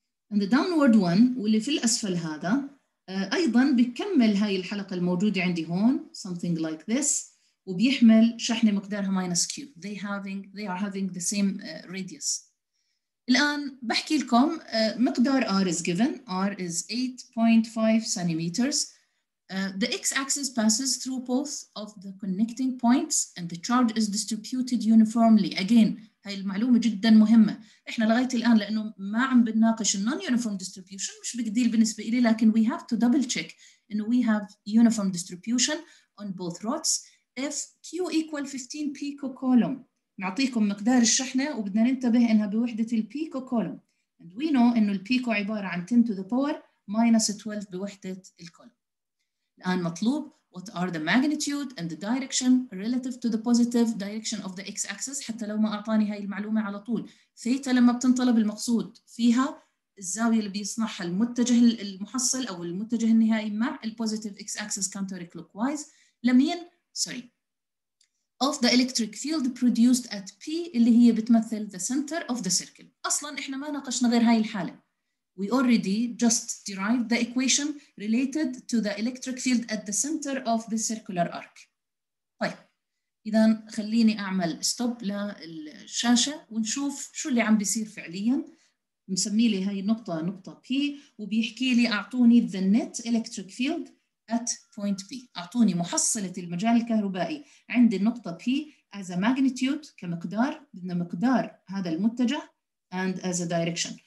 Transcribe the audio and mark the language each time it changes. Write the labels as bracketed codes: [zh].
[en] And the downward one [ar] واللي في الأسفل هذا أيضاً بيكمل هاي الحلقة الموجودة عندي هون [en] something like this [ar] وبيحمل شحنة مقدارها minus Q. [en] They are having the same radius. [ar] الآن بحكي لكم مقدار [en] R is given. R is 8.5 centimeters. The x-axis passes through both of the connecting points and the charge is distributed uniformly. [ar] Again, هاي المعلومة جدا مهمة. إحنا لغاية الآن لأنه ما عم بنناقش non-uniform distribution مش بقديل بالنسبة إلي، لكن [en] we have to double check إنه we have uniform distribution on both rods if Q equal 15 picocoulomb. [ar] نعطيكم مقدار الشحنة وبدنا ننتبه إنها بوحدة البيكو كولوم. [en] And we know [ar] إنه البيكو عبارة عن [en] 10 to the power minus 12 [ar] بوحدة الكولوم. الآن مطلوب [en] what are the magnitude and the direction relative to the positive direction of the x-axis. [ar] حتى لو ما أعطاني هاي المعلومة على طول، ثيتا لما بتنطلب المقصود فيها الزاوية اللي بيصنعها المتجه المحصل أو المتجه النهائي مع positive x-axis counterclockwise لمين؟ Sorry. [en] Of the electric field produced at P [ar] اللي هي بتمثل [en] the center of the circle. [ar] أصلاً إحنا ما ناقشنا غير هاي الحالة. [en] We already just derived the equation related to the electric field at the center of the circular arc. [ar] طيب إذن خليني أعمل stop للشاشة ونشوف شو اللي عم بيصير فعلياً. مسمي لي هاي النقطة نقطة P وبيحكي لي أعطوني [en] the net electric field at point P. [ar] أعطوني محصلة المجال الكهربائي عند النقطة P [en] as a magnitude [ar] كمقدار، بدنا مقدار هذا المتجه [en] and as a direction.